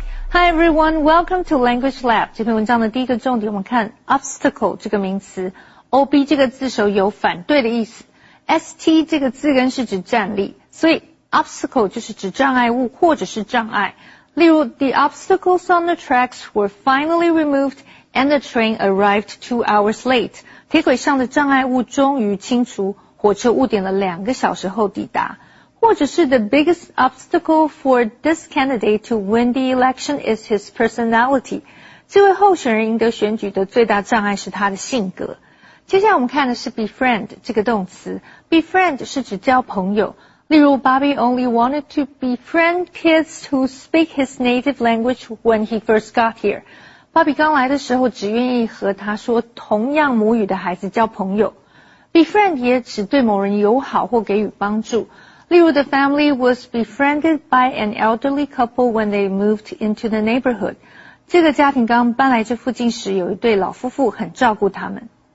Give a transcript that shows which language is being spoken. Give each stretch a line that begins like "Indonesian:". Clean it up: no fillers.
English: Hi everyone, welcome to Language Lab.
Chinese: 这篇文章的第一个重点，我们看 obstacle 这个名词 ，ob 这个字首有反对的意思 ，st 这个字根是指站立，所以 obstacle 就是指障碍物或者是障碍。例如
English: ，the obstacles on the tracks were finally removed and the train arrived 2 hours late.
Chinese: 铁轨上的障碍物终于清除，火车误点了两个小时后抵达。或者是
English: the biggest obstacle for this candidate to win the election is his personality.
Chinese: 这位候选人赢得选举的最大障碍是他的性格。接下来我们看的是 befriend 这个动词。befriend 是指交朋友。例如
English: Bobby only wanted to befriend kids who speak his native language when he first got here.
Chinese: Bobby 刚来的时候只愿意和他说同样母语的孩子交朋友。 befriend 也指对某人友好或给予帮助。例如
English: the family was befriended by an elderly couple when they moved into the neighborhood.
Chinese: 这个家庭刚搬来这附近时有一对老夫妇很照顾他们。